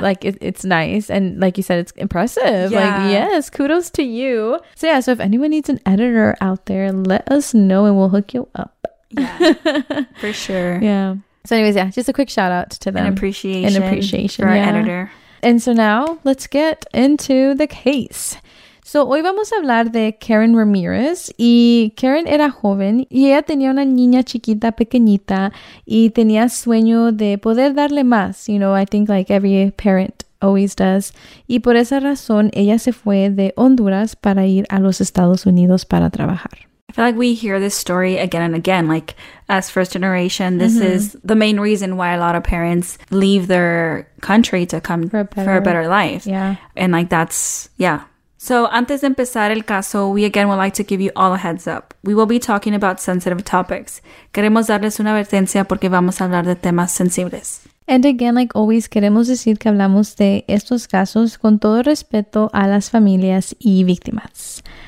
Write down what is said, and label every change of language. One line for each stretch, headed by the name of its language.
English: Like it's nice. And like you said, it's impressive. Yeah. Like, yes, kudos to you. So yeah, so if anyone needs an editor out there, let us know and we'll hook you up. Yeah, for sure. Yeah. So anyways, yeah, just a quick shout out to them. An appreciation. For our editor. And so now let's get into the case.
Spanish: So hoy vamos a hablar de Karen Ramirez. Y Karen era joven y ella tenía una niña chiquita pequeñita y tenía sueño de poder darle más.
English: You know, I think like every parent always does.
Spanish: Y por esa razón ella se fue de Honduras para ir a los Estados Unidos para trabajar.
English: I feel like we hear this story again and again, like as first generation, this is the main reason why a lot of parents leave their country to come for a better life. Yeah. And like that's, yeah. So
Spanish: antes de empezar el caso,
English: we again would like to give you all a heads up. We will be talking about sensitive topics.
Spanish: Queremos darles una advertencia porque vamos a hablar de temas sensibles.
English: And again, like always,
Spanish: queremos decir que hablamos de estos casos con todo respeto a las familias y víctimas.